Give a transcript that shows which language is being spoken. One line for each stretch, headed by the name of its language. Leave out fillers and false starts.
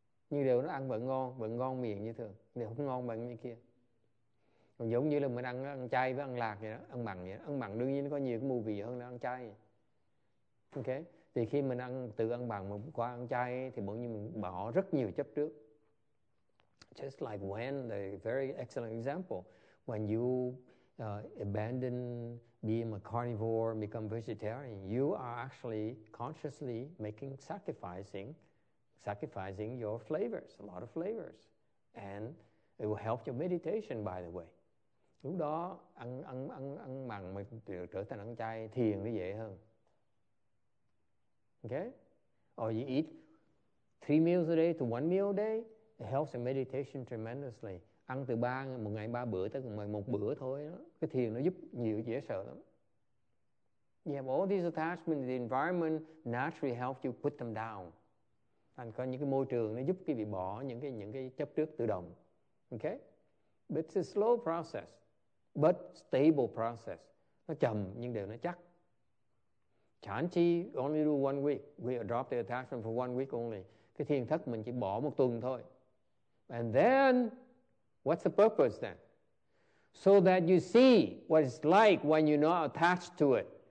Vietnamese: Như điều nó ăn vẫn ngon miệng như thường, điều không ngon bằng như kia. Còn giống như là mình ăn chay với ăn lạc vậy đó, ăn mặn vậy đó. Ăn mặn đương nhiên nó có nhiều cái mùi vị hơn là ăn chay. Ok, thì khi mình ăn từ ăn mặn mà qua ăn chay thì bỗng nhiên mình bỏ rất nhiều chấp trước.
English: Just like when, the very excellent example, when you abandon being a carnivore and become vegetarian, you are actually consciously making sacrificing your flavors, a lot of flavors. And it will help your meditation, by the way.
Vietnamese: Lúc đó ăn mặn mà trở thành ăn chay, thiền nó dễ hơn.
English: Okay? Or you eat 3 meals a day to 1 meal a day, it helps your meditation tremendously.
Vietnamese: Ăn từ ba một ngày 3 bữa tới 1 bữa thôi đó. Cái thiền nó giúp nhiều, dễ sợ lắm.
English: You have all these attachments, the environment naturally helps you put them down.
Vietnamese: Thành có những cái môi trường nó giúp cái vị bỏ những cái chấp trước tự động.
English: Okay? But it's a slow process, but stable process.
Vietnamese: Nó chậm nhưng đều nó chắc. Chán chi
English: only do 1 week. We drop the attachment for 1 week only.
Vietnamese: Cái thiền thất mình chỉ bỏ 1 tuần thôi.
English: And then, what's the purpose then? So that you see what it's like when you're not attached to it.